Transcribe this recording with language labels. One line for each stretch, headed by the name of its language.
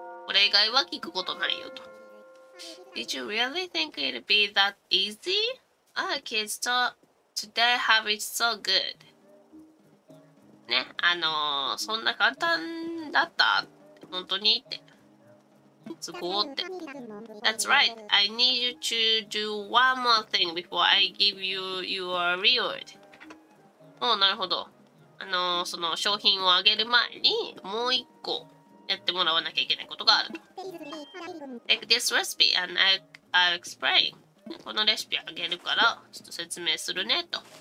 Japanese: これ以外は聞くことないよと。
English: Did you really think it'd be that easy? Our kids today have it so good。
Japanese: ね、あの、そんな簡単だった？本当に？ってすごって。
English: That's right. I need you to do one more thing before I give you your reward.
Japanese: おー、なるほど。あの、その商品をあげる前にもう一個やってもらわなきゃいけないことがあると。
English: Take this recipe and I'll explain。
Japanese: このレシピあげるからちょっと説明するねと。